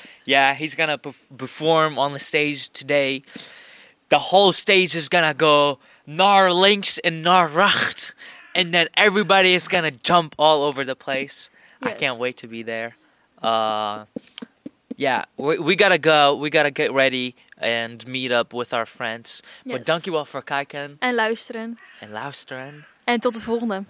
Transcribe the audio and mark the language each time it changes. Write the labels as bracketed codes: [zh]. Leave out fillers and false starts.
[en] Yeah, he's gonna perform on the stage today. The whole stage is gonna go [nl] naar links en naar rechts. [en] And then everybody is gonna jump all over the place. Yes. I can't wait to be there. Yeah, we gotta go. We gotta get ready and meet up with our friends. Yes. But thank you all for [nl] kijken. En luisteren. En luisteren. En tot de volgende.